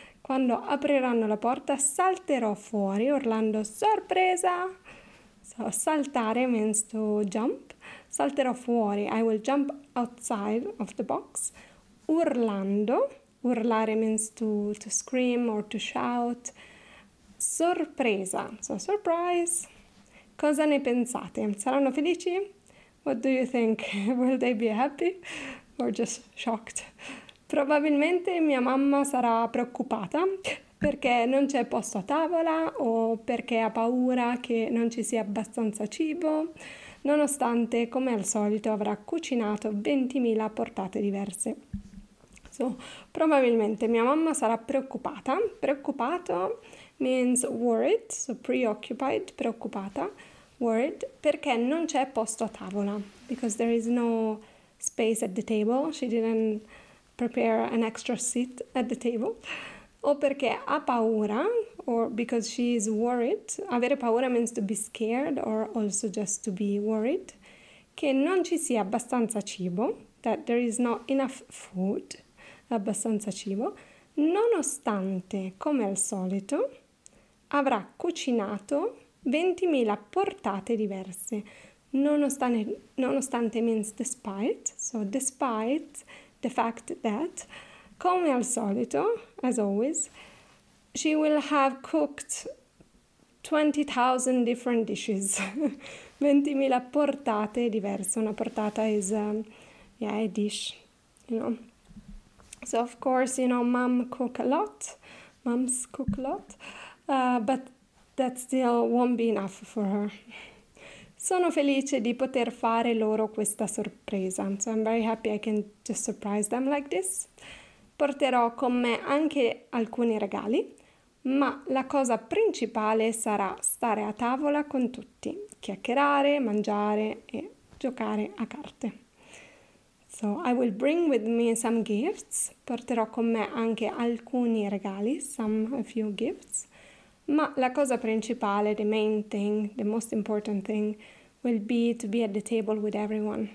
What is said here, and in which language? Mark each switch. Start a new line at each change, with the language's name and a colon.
Italian: Quando apriranno la porta, salterò fuori urlando sorpresa.
English: So saltare means to jump.
Italian: Salterò fuori,
English: I will jump outside of the box, urlando. Urlare means to scream or to shout. Sorpresa, so surprise.
Italian: Cosa ne pensate? Saranno felici?
English: What do you think? Will they be happy? Or just shocked?
Italian: Probabilmente mia mamma sarà preoccupata perché non c'è posto a tavola o perché ha paura che non ci sia abbastanza cibo, nonostante, come al solito, avrà cucinato 20.000 portate diverse. So, probabilmente mia mamma sarà preoccupata. Preoccupato
English: means worried, so preoccupied,
Italian: preoccupata, worried, perché non c'è posto a tavola.
English: Because there is no space at the table, she didn't prepare an extra seat at the table.
Italian: O perché ha paura,
English: or because she is worried.
Italian: Avere paura
English: means to be scared or also just to be worried.
Italian: Che non ci sia abbastanza cibo,
English: that there is not enough food,
Italian: abbastanza cibo. Nonostante, come al solito, avrà cucinato 20.000 portate diverse.
English: Nonostante means despite, so despite the fact that,
Italian: come al solito,
English: as always, she will have cooked 20,000 different dishes.
Italian: 20.000 portate diverse.
English: Una portata is a dish, you know. So of course, you know, mom cook a lot. Moms cook a lot. But that still won't be enough for her.
Italian: Sono felice di poter fare loro questa sorpresa.
English: So I'm very happy I can just surprise them like this.
Italian: Porterò con me anche alcuni regali, ma la cosa principale sarà stare a tavola con tutti, chiacchierare, mangiare e giocare a carte.
English: So I will bring with me some gifts.
Italian: Porterò con me anche alcuni regali,
English: a few gifts.
Italian: Ma la cosa principale,
English: the main thing, the most important thing, will be to be at the table with everyone.